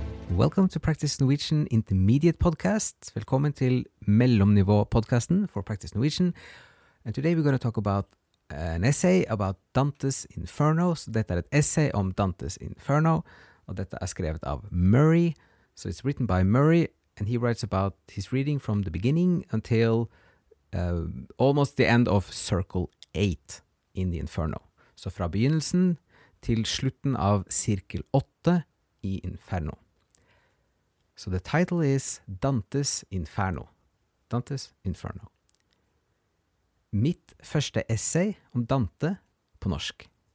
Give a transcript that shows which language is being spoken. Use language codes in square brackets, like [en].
[en] Welcome to Practice Norwegian Intermediate Podcast. [no] Velkommen til Mellomnivå-podcasten for Practice Norwegian. [en] And today we're going to talk about an essay about Dante's Inferno. [no] So dette et essay om Dante's Inferno, og dette skrevet av Murray. [en] So it's written by Murray, and he writes about his reading from the beginning until almost the end of Circle 8 in the Inferno. [no] Så fra begynnelsen til slutten av Sirkel 8 I Inferno. [en] So the title is Dantes Inferno. Dantes Inferno. [no] Mitt første essay om Dante på norsk.